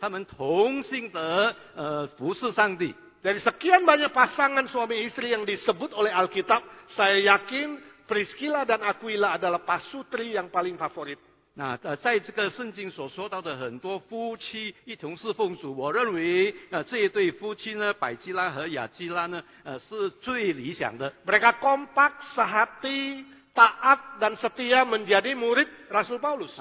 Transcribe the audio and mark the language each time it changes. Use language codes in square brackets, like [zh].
[zh] 第一，这个百基拉和亚基拉，他是一对夫妇，他们同心的服侍上帝。 [id] Dari sekian banyak pasangan suami istri yang disebut oleh Alkitab, saya yakin Priscilla dan Aquila adalah pasutri yang paling favorit. [zh] Nah, 在这个圣经所说到的很多夫妻一同侍奉主，我认为这一对夫妻呢，百基拉和亚基拉呢，是最理想的。 [id] Mereka kompak, sehati, taat dan setia menjadi murid Rasul Paulus.